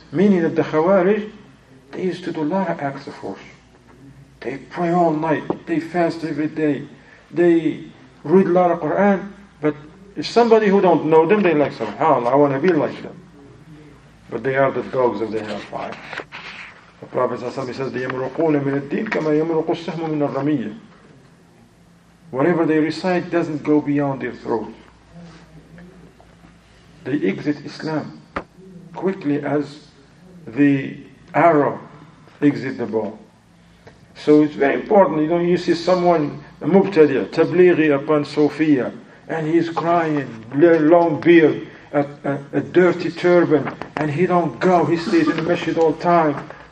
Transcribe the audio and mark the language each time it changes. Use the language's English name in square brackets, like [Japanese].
[English] Meaning that the Khawarij, they used to do a lot of acts of worship. They pray all night, they fast every day, they read a lot of Quran, but if somebody who don't know them, they like, subhanAllah, I want to be like them. But they are the dogs of the hellfire. The Prophet [Arabic] صلى الله عليه وسلم [English] says, they [Arabic] يَمْرُقُونَ مِنَ الدِّينِ كَمَا يَمْرُقُ السَّهْمُ مِنَ الرَّمِيَّةِ. [English] Whatever they recite doesn't go beyond their throat. They exit Islam quickly as the arrow exits the bow. So it's very important. You see someone, a mubtadi'a, tablighi upon Sophia, and he's crying, long beard, a dirty turban, and he don't go, he stays in the masjid all the time.